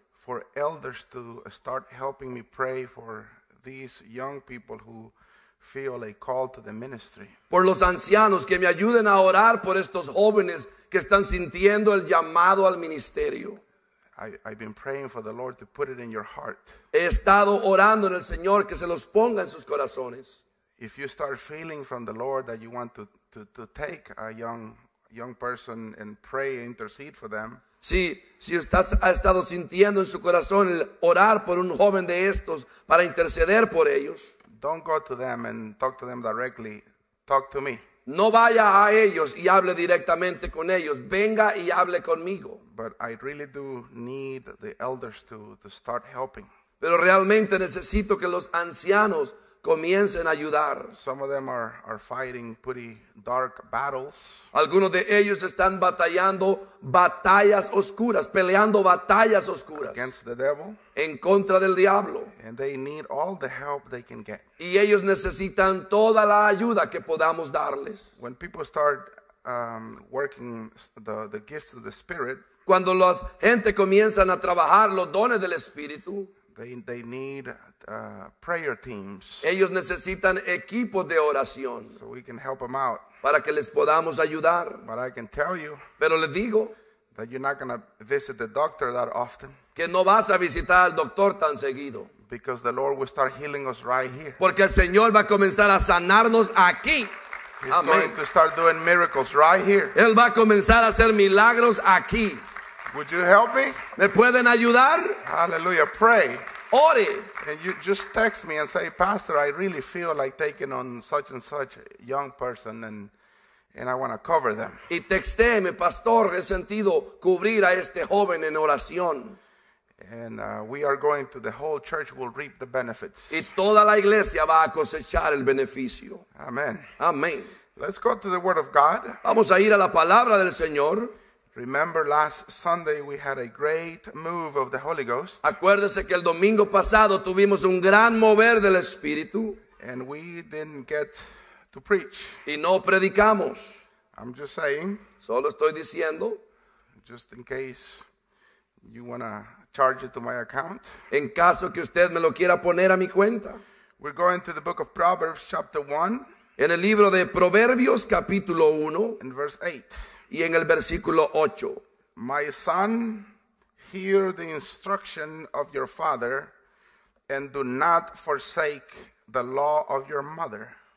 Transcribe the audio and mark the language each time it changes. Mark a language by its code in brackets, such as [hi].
[en] For elders to start helping me pray for these young people who feel a call to the ministry. [es] Por los ancianos que me ayuden a orar por estos jóvenes que están sintiendo el llamado al ministerio. [en] I've been praying for the Lord to put it in your heart. [es] He estado orando en el Señor que se los ponga en sus corazones. [en] If you start feeling from the Lord that you want to take a young person and pray and intercede for them. [es] Si usted ha estado sintiendo en su corazón el orar por un joven de estos para interceder por ellos. [en] Don't go to them and talk to them directly. Talk to me. [es] No vaya a ellos y hable directamente con ellos. Venga y hable conmigo. [en] But I really do need the elders to start helping. [es] Pero realmente necesito que los ancianos comiencen a ayudar. [en] Some of them are fighting pretty dark battles. [es] Algunos de ellos están batallando batallas oscuras, peleando batallas oscuras. [en] Against the devil. [es] En contra del diablo. [en] And they need all the help they can get. [es] Y ellos necesitan toda la ayuda que podamos darles. [en] When people start working the gifts of the Spirit. [es] Cuando la gente comienzan a trabajar los dones del Espíritu. [en] They need prayer teams. [es] Ellos necesitan equipos de oración. [en] So we can help them out. [es] Para que les podamos ayudar. [en] But I can tell you. [es] Pero les digo. [en] That you're not going to visit the doctor that often. [es] Que no vas a visitar al doctor tan seguido. [en] Because the Lord will start healing us right here. [es] Porque el Señor va a comenzar a sanarnos aquí. [en] He's Amen. Going to start doing miracles right here. [es] Él va a comenzar a hacer milagros aquí. [en] Would you help me? [es] ¿Me pueden ayudar? [en] Hallelujah. Pray. [es] Ore. [en] And you just text me and say, Pastor, I really feel like taking on such and such young person and I want to cover them. [es] Y textéme, Pastor, he sentido cubrir a este joven en oración. [en] And we are going to, the whole church will reap the benefits. [es] Y toda la iglesia va a cosechar el beneficio. Amen. Amen. [en] Let's go to the Word of God. [es] Vamos a ir a la palabra del Señor. [en] Remember last Sunday we had a great move of the Holy Ghost. [es] Acuérdese que el domingo pasado tuvimos un gran mover del Espíritu. [en] And we didn't get to preach. [es] Y no predicamos. [en] I'm just saying. [es] Solo estoy diciendo. [en] Just in case you want to charge it to my account. [es] En caso que usted me lo quiera poner a mi cuenta. [en] We're going to the book of Proverbs chapter 1. [es] En el libro de Proverbios capítulo 1. [en] In verse 8. [es] Y en el versículo 8. [en] My son, hear the instruction of your father and do not forsake the law of your mother.